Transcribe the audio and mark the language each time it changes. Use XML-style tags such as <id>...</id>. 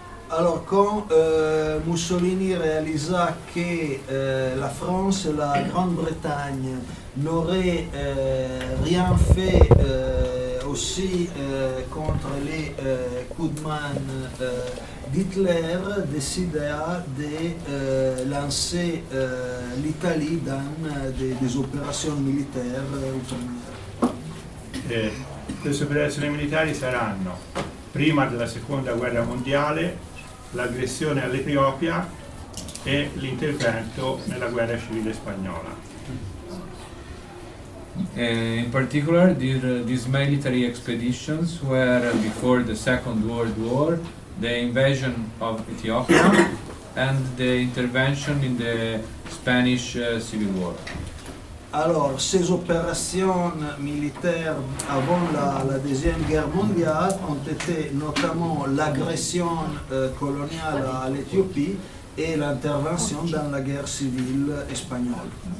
<fr>Alors quand Mussolini réalisa que la France et la Grande-Bretagne n'auraient rien fait aussi contre les coups de main d'Hitler, décida de lancer l'Italie dans des opérations militaires outre-mer.</fr> <it>Queste operazioni militari saranno prima della seconda guerra mondiale l'aggressione all'Etiopia e l'intervento nella guerra civile spagnola.</it> <en>In particular, these military expeditions were before the Second World War, the invasion of Ethiopia and the intervention in the Spanish Civil War.</en> <fr>Alors, ces opérations militaires avant la Deuxième Guerre mondiale ont été notamment l'agression coloniale à l'Éthiopie et l'intervention dans la guerre civile espagnole.</fr>